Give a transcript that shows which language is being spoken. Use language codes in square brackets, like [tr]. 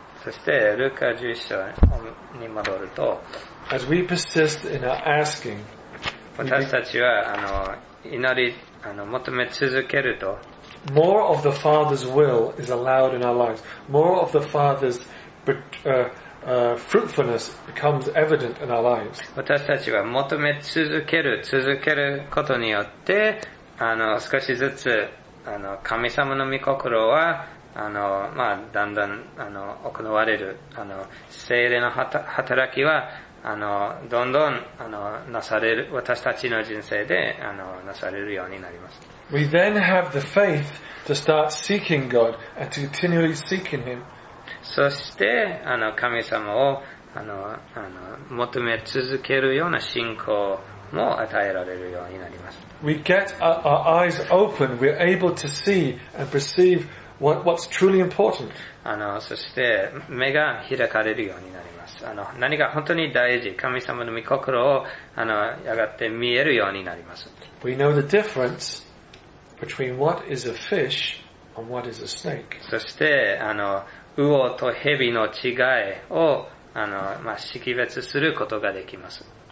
[ja] そしてルカ11章に戻ると、 [en] As we persist in our asking, [ja] 私たちは祈り求め続けると、 [en] More of the Father's will is allowed in our lives. More of the Father's fruitfulness becomes evident in our lives. [ja] 私たちは求め続けることによって、少しずつ神様の御心はだんだん、行われる、聖霊の働きは、どんどん、なされる、私たちの人生で、なされるようになります。 [en] We then have the faith to start seeking God and to continually seeking Him. [ja] そして、神様を、求め続けるような信仰も与えられるようになります。 [en] We get our eyes open, we're able to see and perceive What's truly important? [ja] そして、目が開かれるようになります。何が本当に大事、神様の御心を、やがて見えるようになります。 [en] We know the difference between what is a fish and what is a snake. [ja] そして、魚と蛇の違いを、識別することができます。